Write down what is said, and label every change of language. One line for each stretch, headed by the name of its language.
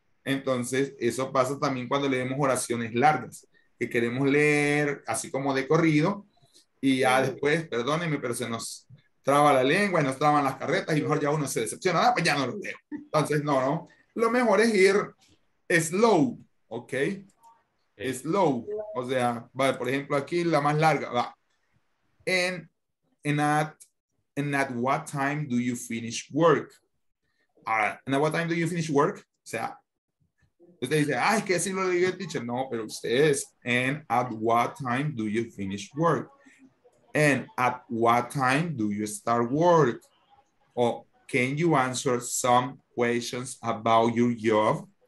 Spanish: Entonces, eso pasa también cuando leemos oraciones largas, que queremos leer así como de corrido, y ya después, perdónenme, pero se nos traba la lengua y nos traban las carretas, y mejor ya uno se decepciona, ah, pues ya no lo leo. Entonces, no, no. Lo mejor es ir slow, ¿ok? Slow. O sea, vale, por ejemplo, aquí la más larga, va.
English: And at what time do you finish work? And at what time do you finish work?
Spanish: O sea, usted dice, ah, es que así lo digo el teacher. No, pero usted es,
English: and at what time do you finish work? And at what time do you start work? Or can you answer some questions about your job?